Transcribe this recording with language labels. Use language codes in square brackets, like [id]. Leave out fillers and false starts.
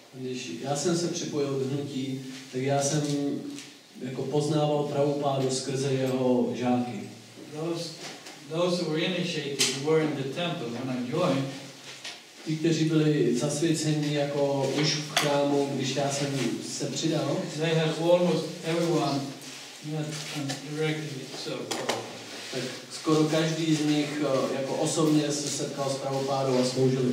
[cs] Když já jsem se připojil k hnutí, tak já jsem jako poznával Prabhupádu skrze jeho žáky. [en] Those who were initiated were in the temple when I joined. [cs] Ti, kteří byli zasvěceni jako už v chrámu, když já jsem se přidal, [en] they had almost everyone met and directly served. [cs] tak skoro každý z nich jako osobně se setkal s Prabhupádou a sloužili